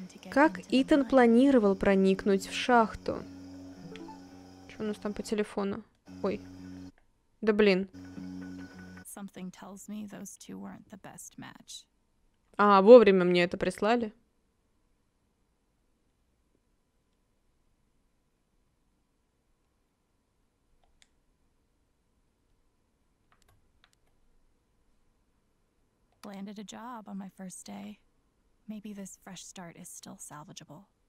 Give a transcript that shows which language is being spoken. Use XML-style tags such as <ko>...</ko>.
<ru>Как Итан планировал проникнуть в шахту? Что у нас там по телефону? Ой. Да блин.</ru> <en>Something tells me those two weren't the best match.</en> <ru>А, вовремя мне это прислали.</ru> <en>Landed a job on my first day. Maybe this fresh start is still salvageable.</en>